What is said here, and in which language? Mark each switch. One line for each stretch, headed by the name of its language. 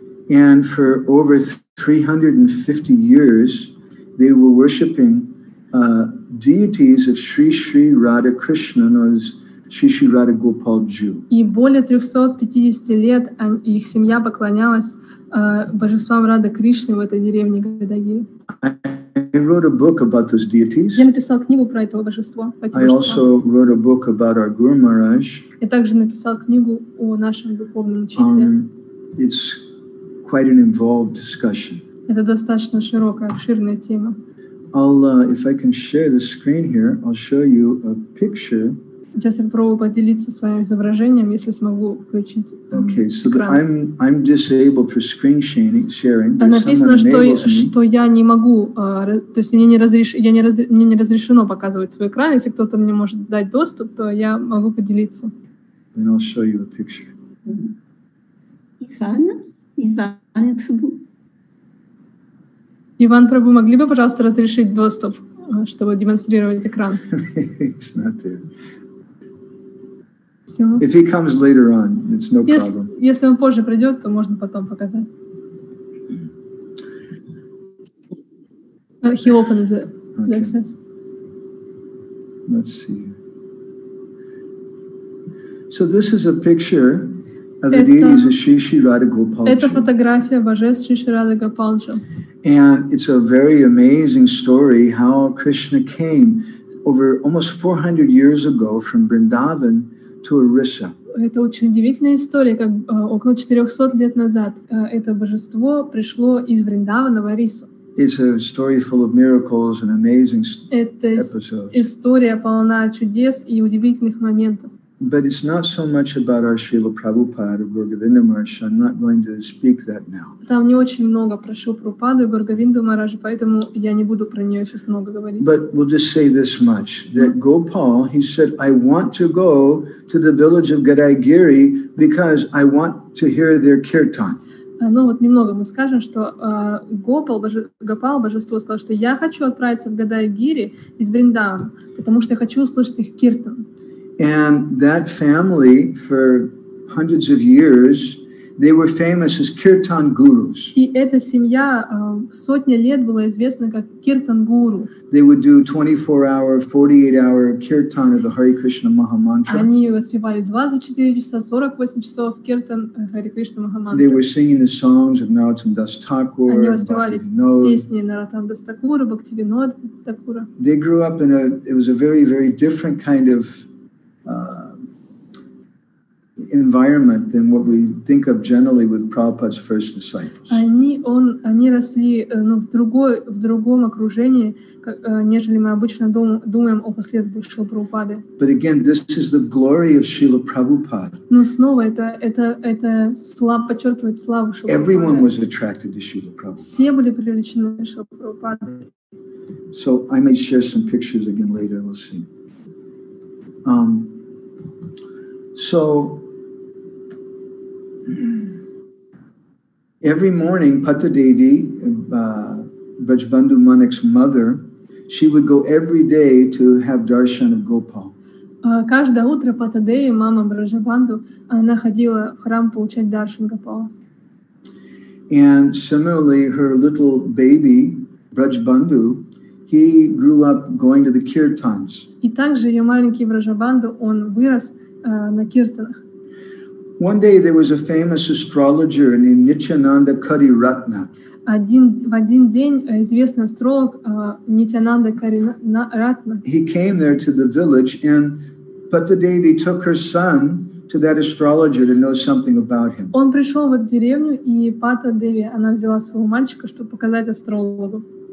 English: And for over 350 years, they were worshiping deities of Sri Sri Radha Krishna, known as Sri Sri Radha Gopal Ju.
Russian: И более 350 лет их семья поклонялась божествам Рада Кришны в этой деревне Гадай Гири.
English: I wrote a book about those deities.
Russian: Я написал книгу про это божество.
English: I also wrote a book about our Guru Maharaj.
Russian: Я также написал книгу о нашем духовном учителе.
English: It's quite an involved discussion.
Russian: Это достаточно широкая, обширная тема.
English: If I can share the screen here, I'll show you a picture.
Russian: Сейчас я попробую поделиться своим изображением, если смогу включить экран.
English: Okay, so I'm disabled for screen sharing.
Russian: Написано, что я не могу, то есть мне не разрешено показывать свой экран. Если кто-то мне может дать доступ, то я могу поделиться.
English: And I'll show you a picture. Ivana, Ivana Prabhu.
Russian: Иван Прабу, могли бы, пожалуйста, разрешить доступ, чтобы демонстрировать экран?
English: It's not there. If he comes later on, it's no problem.
Russian: Если он позже придет, то можно потом показать.
English: He opened the okay. Let's see. So this is a picture of the deities of Sri Sri Radha Gopalji.
Russian: Это фотография божеств Sri Sri Radha Gopalji.
English: And it's a very amazing story how Krishna came over almost 400 years ago from Vrindavan.
Russian: Это очень удивительная история, как около 400 лет назад это божество пришло из Вриндавана в Орису.
English: It's a story full of miracles and amazing episodes.
Russian: Это история полна чудес и удивительных моментов.
English: But it's not so much about our Srila Prabhupada or Gaura Govinda Maharaj, so I'm not going to speak that now.
Russian: Там не очень много про Шрилу Прабхупаду и Гаура Говинду Махараджа, поэтому я не буду про нее сейчас много говорить.
English: But we'll just say this much, that Gopal, he said, I want to go to the village of Gadai Giri because I want to hear their kirtan.
Russian: Ну вот немного мы скажем, что Гопал, божество, сказал, что я хочу отправиться в Гадай Гири из Вриндавана, потому что я хочу услышать их киртан.
English: And that family, for hundreds of years, they were famous as kirtan gurus.
Russian: И эта семья сотни лет была известна как киртан гуру.
English: They would do 24-hour, 48-hour kirtan of the Hare Krishna Maha Mantra.
Russian: Они воспевали 24 часа, 48 часов киртан Hare Krishna Maha Mantra.
English: They were singing the songs of Narottam Das Thakur.
Russian: Они воспевали песни Narottam Das Thakur, Bhaktivinod Thakur.
English: They grew up in it was a very, very different kind of environment than what we think of generally with Prabhupada's first disciples.
Russian: Они росли в другом окружении, нежели мы обычно думаем о последователях Шрилы Прабхупады.
English: But again, this is the glory of Srila Prabhupada.
Russian: Но снова это слава, подчеркивает славу Шрилы Прабхупады.
English: Everyone was attracted to Srila Prabhupada.
Russian: Все были привлечены Шрилой Прабхупадой.
English: So I may share some pictures again later. We'll see. So every morning, Patta Devi, Brajbandhu Manak's mother, she would go every day to have darshan of Gopal.
Russian: Каждое утро Патта Деви, мама Брачбандху, она ходила в храм получать даршан Гопала.
English: And similarly, her little baby, Брачбандху, he grew up going to the kirtans.
Russian: И также ее маленький Брачбандху, он вырос на киртанах.
English: One day there was a famous astrologer named Nityananda Kari Ratna.
Russian: В один день известный астролог Nityananda Kari Ratna.
English: He came there to the village, and Patta Devi took her son to that astrologer to know something about him.
Russian: Он пришел в эту деревню, и Патта Деви она взяла своего мальчика, чтобы показать астрологу.